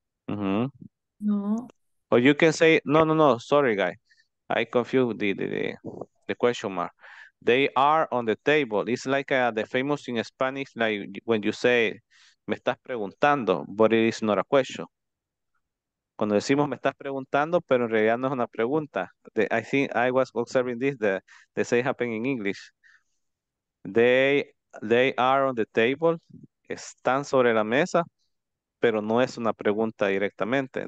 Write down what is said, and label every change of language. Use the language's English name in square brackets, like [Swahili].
[English] Mm-hmm. No. Or you can say, no, sorry, guy. I confused the question mark. They are on the table. It's like the famous in Spanish, like when you say, [Spanish] me estás preguntando, [English] but it is not a question. [Spanish] Cuando decimos, me estás preguntando, pero en realidad no es una pregunta. [English] I think I was observing this, the same happened in English. They are on the table. [Spanish] Están sobre la mesa, pero no es una pregunta directamente.